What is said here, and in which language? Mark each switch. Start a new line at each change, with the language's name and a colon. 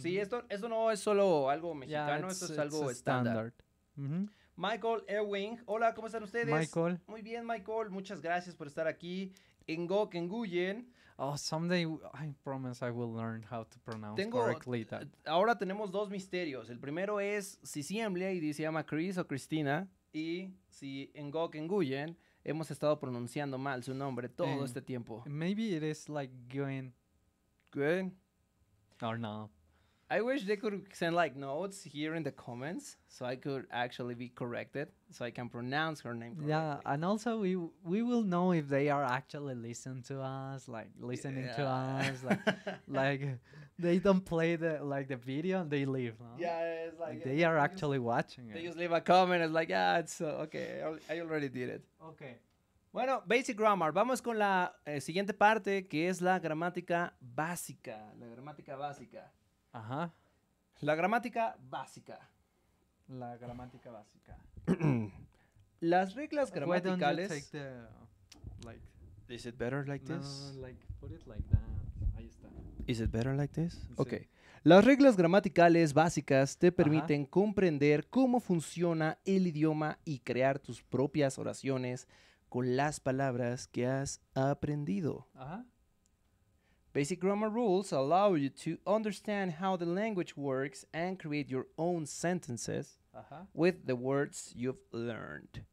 Spanish: Sí, esto no es solo algo mexicano, yeah, esto es algo estándar. Mm-hmm. Michael Ewing, hola, ¿cómo están ustedes? Michael. Muy bien, Michael, muchas gracias por estar aquí. Ingo Kenguyen.
English: Oh, someday I promise I will learn how to pronounce correctly that.
Spanish: Ahora tenemos dos misterios. El primero es si Siemblea y se llama Chris o Cristina. Y si Ingo Kenguyen hemos estado pronunciando mal su nombre todo este tiempo.
English: Maybe it is like Gwen. Gwen. Or no. I wish they could send like notes here in the comments so I could actually be corrected so I can pronounce her name correctly. Yeah, and also we will know if they are actually listening to us, like listening to us, like like they don't play the video and they leave. No? Yeah, it's like they are actually watching it. They just leave a comment. It's like, yeah, it's okay. I already did it. Okay. Bueno, basic grammar.
Spanish: Vamos con la siguiente parte que es la gramática básica. La gramática básica. Ajá. La gramática básica. La gramática básica. Las reglas gramaticales.
English: Why don't you take the, like, is it better like this? No, like, put it like that.
Spanish: Ahí está.
English: Is it better like this? Sí. Okay.
Spanish: Las reglas gramaticales básicas te permiten comprender cómo funciona el idioma y crear tus propias oraciones con las palabras que has aprendido. Ajá.
English: Basic grammar rules allow you to understand how the language works and create your own sentences with the words you've learned.